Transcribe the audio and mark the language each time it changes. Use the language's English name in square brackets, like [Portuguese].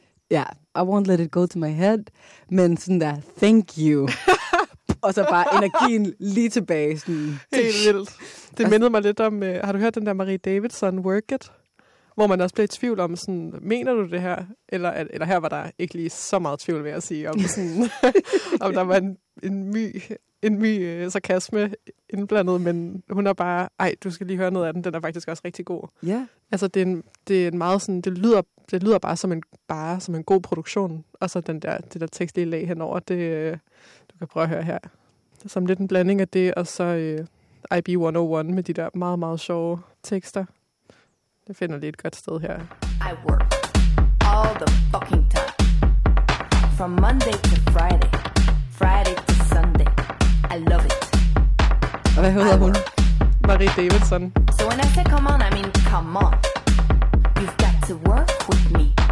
[Danish] Ja, [English] yeah, I won't let it go to my head, [Danish] men sådan der, [English] thank you. [Danish] Og så bare energien lige tilbage. Sådan. Helt vildt. Det mindede mig lidt om, har du hørt den der Marie Davidson, Work It? Hvor man også blev i tvivl om, sådan, mener du det her? Eller her var der ikke lige så meget tvivl, ved at sige, om, sådan, om der var en my sarkasme indblandet, men hun er bare, ej, du skal lige høre noget af den, den er faktisk også rigtig god. Ja. Altså, det er en meget sådan, det lyder bare som en god produktion, og så den der, det der tekstlige lag henover, det, du kan prøve at høre her. Det er som lidt en blanding af det, og så IB 101 med de der meget, meget sjove tekster. Det finder lige et godt sted her. [English] I work all the fucking time. From Monday to Friday. Friday to Sunday. I love it. [Danish] Og hvad hedder hun? Marie Davidson. [English] So when I say come on, I mean come on. You've got to work with me.